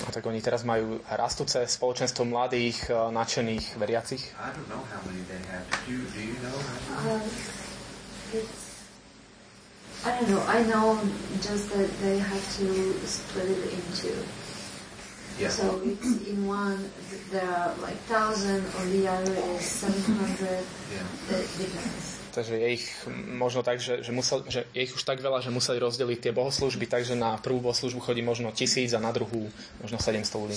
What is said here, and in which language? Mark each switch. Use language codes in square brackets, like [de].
[sk] A tak oni teraz majú rastúce spoločenstvo mladých nadšených veriacich. [en] I don't know how many they have. Do you know how many? I don't know. I know just that they have to split it in two. Yeah. So it's in one there are like 1,000 or the other is 700. Yeah. Depends. [sk] Takže je ich možno tak, že je ich už tak veľa, že museli rozdeliť tie bohoslužby, takže na prvú bohoslužbu chodí možno 1,000 a na druhú možno 700 ľudí.